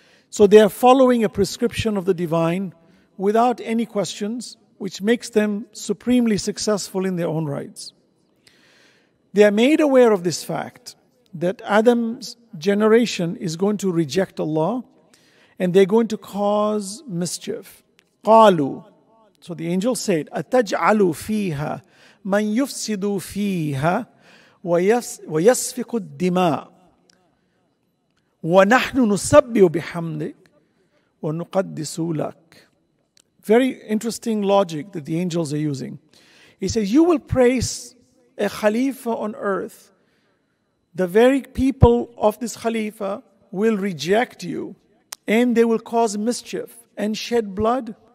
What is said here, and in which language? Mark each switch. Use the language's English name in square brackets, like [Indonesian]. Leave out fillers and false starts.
[English] So they are following a prescription of the divine without any questions, which makes them supremely successful in their own rights. They are made aware of this fact, that Adam's generation is going to reject Allah and they're going to cause mischief. [Arabic] قَالُوا. [English] So the angel said, [Arabic] أَتَجْعَلُ فِيهَا مَنْ يُفْسِدُ فِيهَا وَيَسْفِقُ الدِّمَاءَ وَنَحْنُ نُسَبِّيُ بِحَمْدِكَ وَنُقَدِّسُ لَكَ. [English] Very interesting logic that the angels are using. He says, you will praise a khalifa on earth. The very people of this khalifa will reject you and they will cause mischief and shed blood.